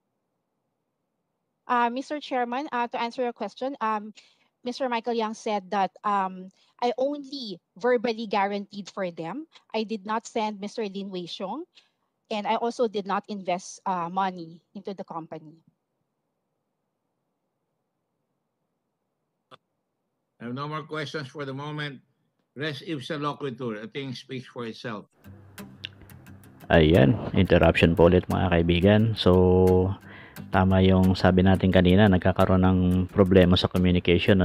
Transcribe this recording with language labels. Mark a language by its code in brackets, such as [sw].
[zh] 我听不到最后那句听不到。没有投资，我没有投钱，也没有派人入场。Mr. [en] Chairman, to answer your question, Mr. Michael Yang said that I only verbally guaranteed for them. I did not send Mr. Lin Wei Xiong, and I also did not invest money into the company. I have no more questions for the moment. [la] Res ipsa loquitur. [en] I think speaks for itself. [tl] Ayan. Interruption po ulit, mga kaibigan. So, tama yung sabi natin kanina. Nagkakaroon ng problema sa communication.